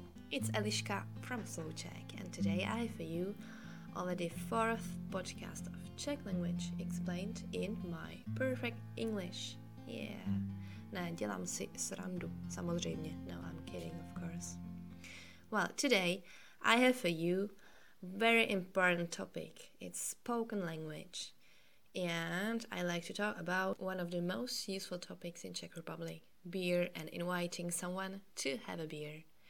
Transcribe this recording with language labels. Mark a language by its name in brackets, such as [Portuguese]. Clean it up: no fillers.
[English] It's Eliška from Spoken Czech, and today I have for you already fourth podcast of Czech language explained in my perfect English. Yeah. [Czech] Ne, dělám si srandu, samozřejmě. [English] No, I'm kidding, of course. Well, today I have for you very important topic. It's spoken language. And I like to talk about one of the most useful topics in Czech Republic, beer and inviting someone to have a beer.